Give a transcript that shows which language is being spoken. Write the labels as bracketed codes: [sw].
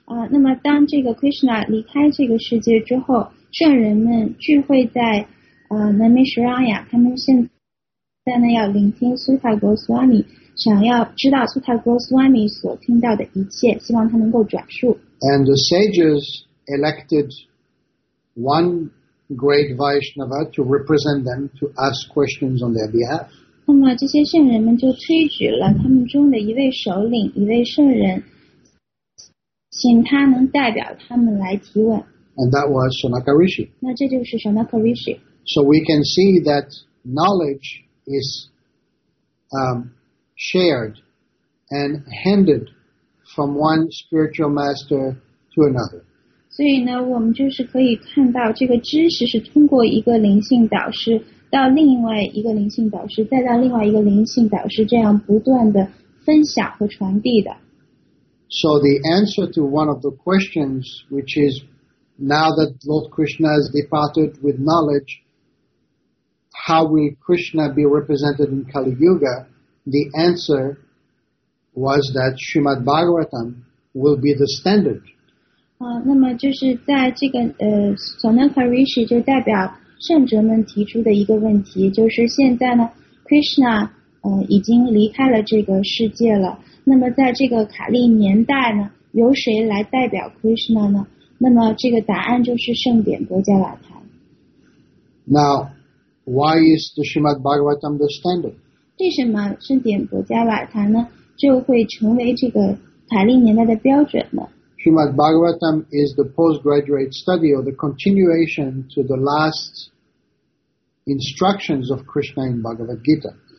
[zh] 那么当这个 Krishna 离开这个世界之后，圣人们聚会在 Namishraya, 他们现在呢要聆听 Sutta Goswami, 想要知道 Sutta Goswami 所听到的一切, 希望他能够转述。 [en] And the sages elected one great Vaishnava to represent them to ask questions on their behalf. [zh] 那么这些圣人们就推举了他们中的一位首领, 一位圣人, 请他能代表他们来提问。 [en] And that was Shanaka Rishi. [zh] 那这就是Shanaka Rishi. [en] So we can see that knowledge is shared and handed from one spiritual master to another. [zh] 所以呢，我们就是可以看到，这个知识是通过一个灵性导师到另外一个灵性导师，再到另外一个灵性导师，这样不断的分享和传递的。 [en] So the answer to one of the questions, which is now that Lord Krishna has departed with knowledge, how will Krishna be represented in Kali Yuga? The answer was that Śrīmad Bhāgavatam will be the standard. [zh] 那么就是在这个Sonaka Rishi 就代表圣者们提出的一个问题，就是现在呢 Krishna 已经离开了这个世界了，那么在这个卡利年代呢，由谁来代表 Krishna 呢？那么这个答案就是圣典薄伽瓦坛。 Now, [en] why is the Śrīmad Bhāgavatam the standard? [zh] 为什么圣典薄伽瓦坛呢，就会成为这个卡利年代的标准呢？ [en] Śrīmad Bhāgavatam is the postgraduate study or the continuation to the last instructions of Krishna in Bhagavad Gita.